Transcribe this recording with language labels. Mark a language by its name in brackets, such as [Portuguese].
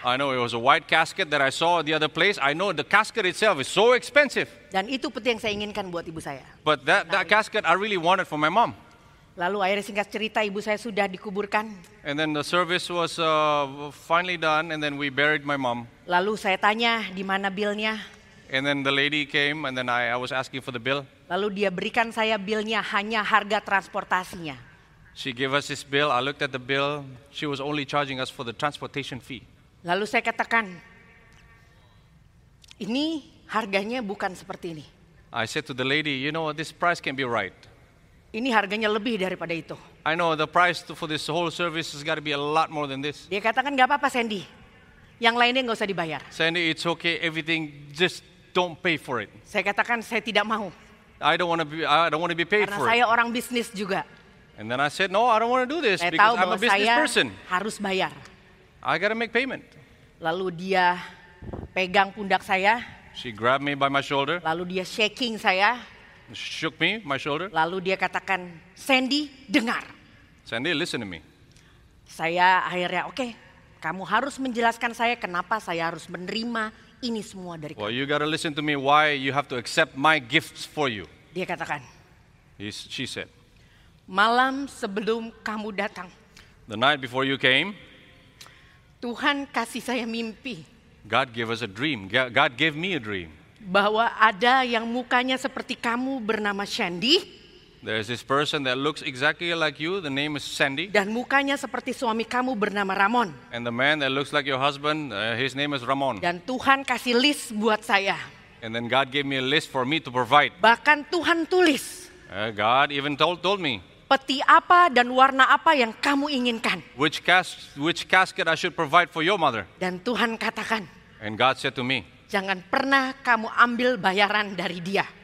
[English] I know it was a white casket that I saw the other place. I know the casket itself is so expensive. [Indonesian] Dan itu peti yang saya inginkan buat ibu saya. [English] But that casket I really wanted for my mom. [Indonesian] Lalu akhirnya singkat cerita ibu saya sudah dikuburkan. [English] And then the service was finally done and then we buried my mom. [Indonesian] Lalu saya tanya di mana bilnya. [English] And then the lady came and then I was asking for the bill. [Indonesian] Lalu dia berikan saya bilnya hanya harga transportasinya. [English] She gave us this bill. I looked at the bill. She was only charging us for the transportation fee. [Indonesian] Lalu saya katakan, ini harganya bukan seperti ini. [English] I said to the lady, you know what, this price can't be right. [Indonesian] Ini harganya lebih daripada itu. [English] I know the price for this whole service has got to be a lot more than this. [Indonesian] Dia katakan enggak apa-apa, Sandy. Yang lainnya enggak usah dibayar. [English] Sandy, it's okay. Everything, just don't pay for it. [Indonesian] Saya katakan saya tidak mau. [English] I don't want to be paid [Indonesian] karena [English] for. [Indonesian] Karena saya orang bisnis juga. [English] And then I said, "No, I don't want to do this [Indonesian] saya [English] because I'm a business person." [Indonesian] Harus bayar. [English] I got to make payment. [Indonesian] Lalu dia pegang pundak saya. [English] She grabbed me by my shoulder. [Indonesian] Lalu dia shaking saya. [English] Shook me, my shoulder. [Indonesian] Lalu dia katakan, Sandy, dengar. [English] Sandy, listen to me. [Indonesian] Saya akhirnya, okay, kamu harus menjelaskan saya kenapa saya harus menerima ini semua dari kamu. [English] Well, you gotta listen to me why you have to accept my gifts for you. [Indonesian] Dia katakan. [English] She said. [Indonesian] Malam sebelum kamu datang. [English] The night before you came. [Indonesian] Tuhan kasih saya mimpi. [English] God gave us a dream. God gave me a dream. [Indonesian] Bahwa ada yang mukanya seperti kamu bernama Shandy. [English] There's this person that looks exactly like you. The name is Shandy. [Indonesian] Dan mukanya seperti suami kamu bernama Ramon. [English] And the man that looks like your husband, his name is Ramon. [Indonesian] Dan Tuhan kasih list buat saya. [English] And then God gave me a list for me to provide. [Indonesian] Bahkan Tuhan tulis. [English] God even told me. [Indonesian] Peti apa dan warna apa yang kamu inginkan. [English] Which casket I should provide for your mother. [Indonesian] Dan Tuhan katakan. [English] And God said to me. [Indonesian] Jangan pernah kamu ambil bayaran dari dia.